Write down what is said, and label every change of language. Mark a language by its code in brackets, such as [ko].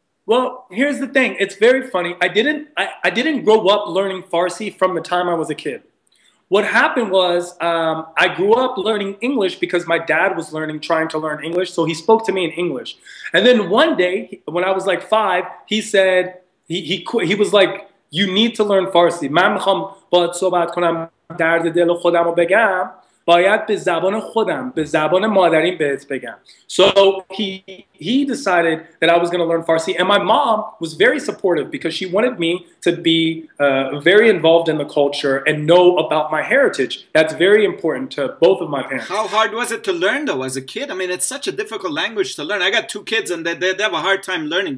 [en] Well, here's the thing. It's very funny. I didn't grow up learning Farsi from the time I was a kid. What happened was I grew up learning English because my dad was trying to learn English. So he spoke to me in English. And then one day when I was like five, he said, he was like, you need to learn Farsi. [fa] من میخوام باید صحبت کنم درد دل خودم رو بگم. باید به زبان خودم، به زبان مادریم بهت بگم. [en] So he decided that I was going to learn Farsi. And my mom was very supportive because she wanted me to be very involved in the culture and know about my heritage. That's very important to both of my parents. How hard was it to learn though as a kid? I mean, it's such a difficult language to learn. I got two kids and they have a hard time learning.